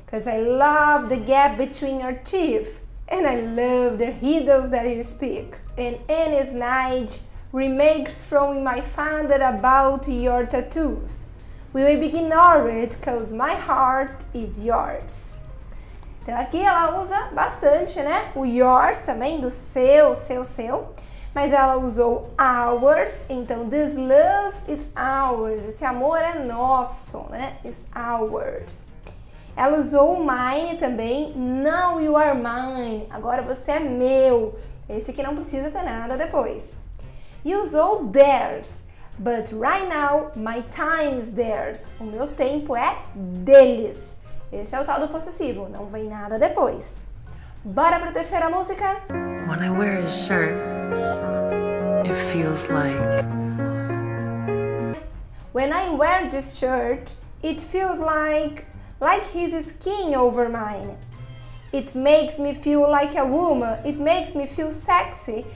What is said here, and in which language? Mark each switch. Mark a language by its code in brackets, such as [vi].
[en] Cause I love the gap between your teeth, and I love the riddles that you speak. And any snide remakes from my father about your tattoos. We will ignore it, cause my heart is yours. [pt] Então aqui ela usa bastante, né? O yours também, do seu, seu, seu. Mas ela usou [en] ours, [pt] então [en] this love is ours. [pt] Esse amor é nosso, né? [en] It's ours. [pt] Ela usou [en] mine [pt] também. [en] Now you are mine. [pt] Agora você é meu. Esse aqui não precisa ter nada depois. E usou theirs. [en] But right now, my time is theirs. [pt] O meu tempo é deles. Esse é o tal do possessivo. Não vem nada depois. Bora pra terceira música? [en] When I wear a shirt, it feels like... When I wear this shirt, it feels like his skin over mine. It makes me feel like a woman. It makes me feel sexy.